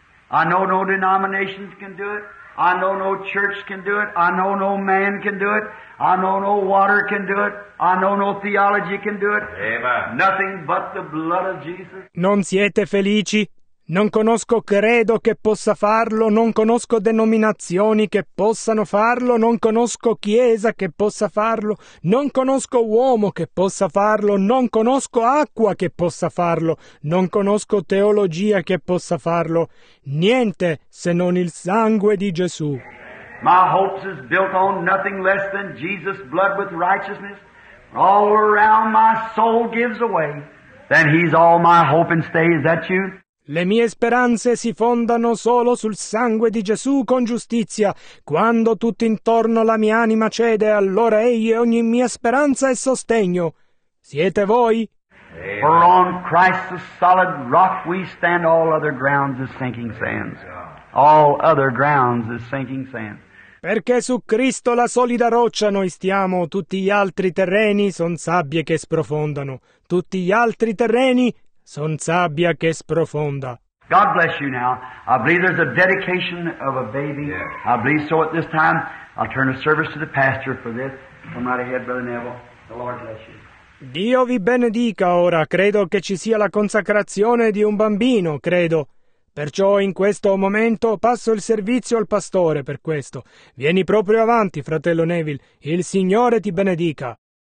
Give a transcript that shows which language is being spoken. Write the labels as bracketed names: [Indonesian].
[English] I know no denominations can do it. I know no church can do it. I know no man can do it. I know no water can do it. I know no theology can do it. Amen. Nothing but the blood of Jesus. [Italian] Non siete felici? Non conosco credo che possa farlo. Non conosco denominazioni che possano farlo. Non conosco chiesa che possa farlo. Non conosco uomo che possa farlo. Non conosco acqua che possa farlo. Non conosco teologia che possa farlo. Niente se non il sangue di Gesù. [English] My hopes is built on nothing less than Jesus' blood with righteousness. All around my soul gives away. Then he's all my hope and stay. Is that you? [Italian] Le mie speranze si fondano solo sul sangue di Gesù con giustizia. Quando tutto intorno la mia anima cede, allora egli è ogni mia speranza e sostegno. Siete voi? [English] For on Christ the solid rock we stand, all other grounds is sinking sands. All other grounds is sinking sands. [Italian] Perché su Cristo la solida roccia noi stiamo, tutti gli altri terreni son sabbie che sprofondano. Tutti gli altri terreni son sabbia che sprofonda. [English] God bless you now. I believe there's a dedication of a baby. Yeah. I believe so at this time. I'll turn the service to the pastor for this. Come right ahead, Brother Neville. The Lord bless you. [Italian] Dio vi benedica ora, credo che ci sia la consacrazione di un bambino, credo. Perciò in questo momento passo il servizio al pastore per questo. Vieni proprio avanti, fratello Neville, il Signore ti benedica.